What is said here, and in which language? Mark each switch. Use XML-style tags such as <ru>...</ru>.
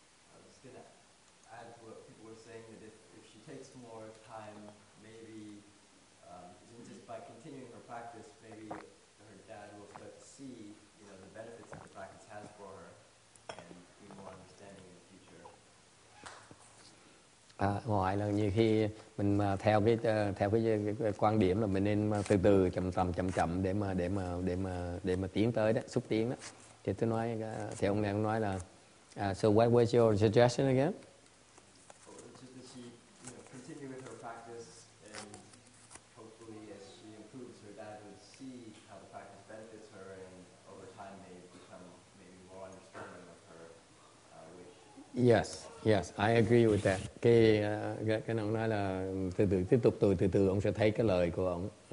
<en>I was going to add to what people were saying, that if she takes more time, maybe just by continuing her practice, maybe her dad will start to see, you know, the benefits that the practice has for her and be more understanding in the future.</en> <vi>Ngoài là nhiều khi mình theo cái quan điểm là mình nên từ từ chậm để mà tiến tới đó, xúc tiến đó. Thì tôi nói theo ông này ông nói là</vi> <en>so what was your suggestion again? Just that she, you know, continue with her practice, and hopefully as she improves, her dad would see how the practice benefits her, and over time may become maybe more understanding of her wish. Yes, I agree with that.</en> <vi>Cái ông nói là từ tiếp tục từ từ ông sẽ thấy cái lời của ông.</vi>